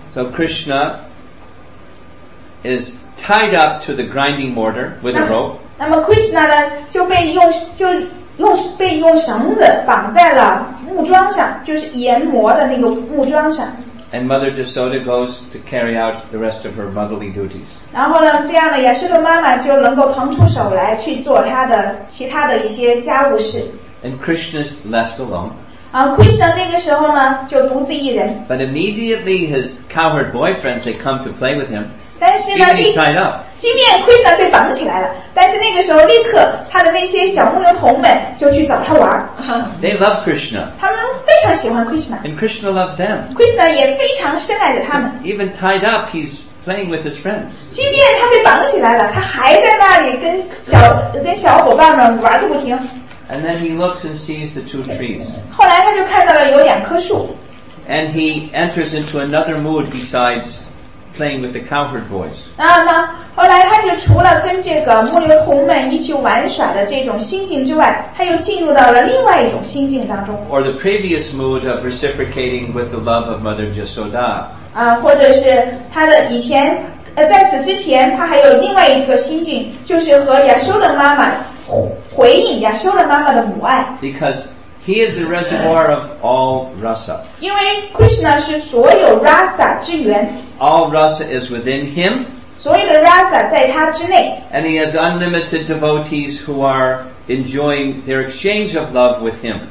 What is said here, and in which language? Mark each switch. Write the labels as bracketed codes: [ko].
[en] So Krishna is tied up to the grinding mortar with a rope. [zh] 那么 Krishna 呢就被用绳子绑在了木桩上，就是研磨的那个木桩上。 [en] And Mother Yashoda goes to carry out the rest of her motherly duties. [zh] 然后呢，这样呢，亚瑟的妈妈就能够腾出手来去做她的其他的一些家务事。 [en] And Krishna's left alone. [zh] Krishna 那个时候呢，就独自一人。 [en] But immediately his cowherd boyfriends they come to play with him. [zh] 但是呢，即便 Krishna 被绑起来了，但是那个时候立刻他的那些小牧人童们就去找他玩。 [en] They love Krishna. [zh] 他们非常喜欢 Krishna. [en] And Krishna loves them. [zh] Krishna 也非常深爱着他们。 [en] So, even tied up, he's playing with his friends. [zh] 即便他被绑起来了，他还在那里跟小伙伴们玩得不停。 [en] And then he looks and sees the two trees. [zh] 后来他就看到了有两棵树。 [en] And he enters into another mood besides. Playing with the cowherd boys. [zh] 那么后来他就除了跟这个牧牛童们一起玩耍的这种心境之外，他又进入到了另外一种心境当中。 [en] Or the previous mood of reciprocating with the love of Mother Yashoda. [zh] 或者是他的以前，在此之前，他还有另外一个心境，就是和亚修的妈妈回应亚修的妈妈的母爱。 [en] Because he is the reservoir of all rasa. [zh] 因为 Krishna 是所有 rasa 之源。 [en] All rasa is within him. [zh] 所有的 rasa 在他之内。 [en] And he has unlimited devotees who are enjoying their exchange of love with him.